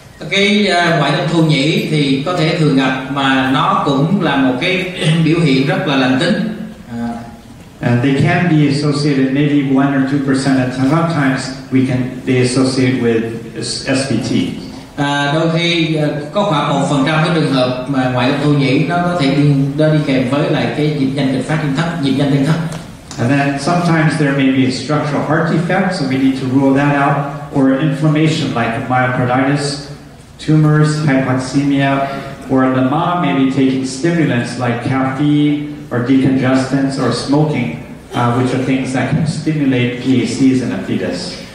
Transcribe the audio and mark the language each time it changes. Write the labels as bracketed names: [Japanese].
[Vietnamese] Cái ngoại tâm thu nhĩ thì có thể thường gặp mà nó cũng là một cái biểu hiện rất là lành tính. [English] And they can be associated maybe 1 or 2% at sometimes we can be associated with SVT. [Vietnamese] Đôi khi có khoảng 1% cái trường hợp mà ngoại tâm thu nhĩ nó có thể đi kèm với lại cái nhịp nhanh kịch phát nhịp nhanh thấp. [English] And then sometimes there may be a structural heart defect, so we need to rule that out, or inflammation like myocarditis, tumors, hypoxemia, or the mom may be taking stimulants like caffeine or decongestants or smoking, which are things that can stimulate PACs in a fetus.